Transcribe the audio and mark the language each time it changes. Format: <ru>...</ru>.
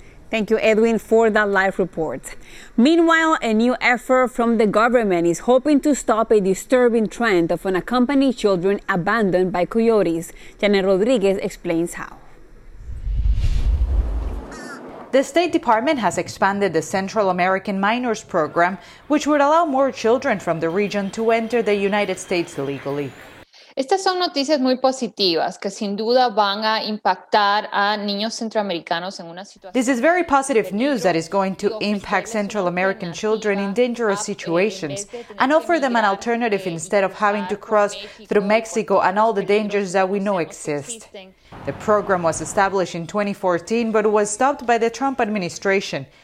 <en>Thank you, Edwin, for that live report. Meanwhile, a new effort from the government is hoping to stop a disturbing trend of unaccompanied children abandoned by coyotes. Janet Rodriguez explains how. The State Department has expanded the Central American Minors Program, which would allow more children from the region to enter the United States illegally.</en> <es>Estas son noticias muy positivas que sin duda van a impactar a niños centroamericanos en una situación.</es> <en>This is very positive news that is going to impact Central American children in dangerous situations and offer them an alternative instead of having to cross through Mexico and all the dangers that we know exist. The program was established in 2014, but was stopped by the Trump administration.</en>